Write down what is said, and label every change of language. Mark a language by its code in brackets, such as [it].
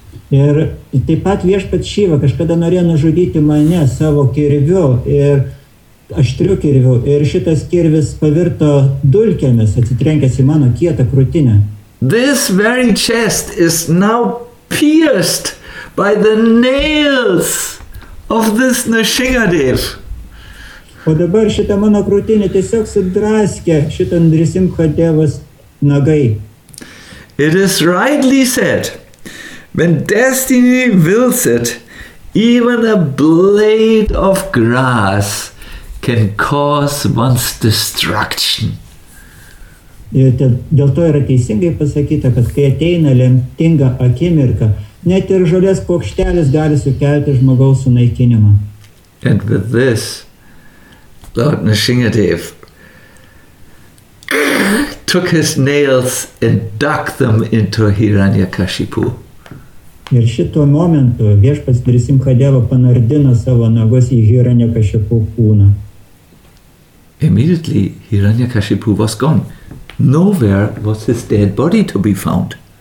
[lt] Ir taip pat viešpat Šyva kažkada norėjo nužudyti mane savo kirviu ir aštriu kirviu ir šitas kirvis pavirto dulkėmis atsitrenkęs į mano kietą krūtinę. [en] This very chest is now pierced by the nails of this Nrisimhadev. [lt] O dabar šita mano krūtinė tiesiog sudraskė šitą Nrisimhadevas nagai. [en] It is rightly said, when destiny wills it, even a blade of grass can cause one's destruction. [lt] Dėl to yra teisingai pasakyta, kad kai ateina lemtinga akimirka, net ir žolės paukštelis gali sukelti žmogaus sunaikinimą. [en] And with this, Lord Nrisimhadev took his nails and dug them into Hiranyakashipu. [lt] Ir šito momentu viešpas Nrisimhadeva panardino savo nagus į Hiranyakashipu kūną. [en] Immediately Hiranyakashipu was gone. Nowhere was his dead body to be found.